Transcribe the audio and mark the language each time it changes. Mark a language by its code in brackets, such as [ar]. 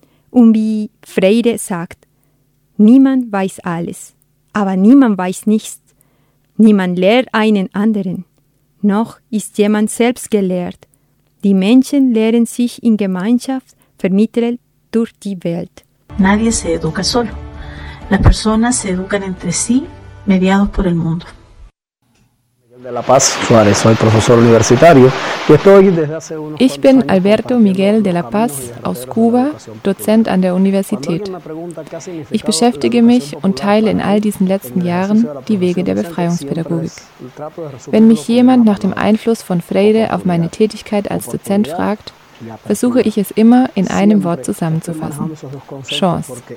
[de] Und wie Freire sagt, niemand weiß alles, aber niemand weiß nichts. Niemand lehrt einen anderen. Noch ist jemand selbst gelehrt. Die Menschen lehren sich in Gemeinschaft, vermittelt durch die Welt. [es] Nadie se educa solo. Las personas se educan entre sí, mediados por el mundo. De La Paz Suárez, soy profesor universitario. [de] Ich bin Alberto Miguel de la Paz aus Kuba, Dozent an der Universität. Ich beschäftige mich und teile in all diesen letzten Jahren die Wege der Befreiungspädagogik. Wenn mich jemand nach dem Einfluss von Freire auf meine Tätigkeit als Dozent fragt, versuche ich es immer in einem Wort zusammenzufassen: Chance.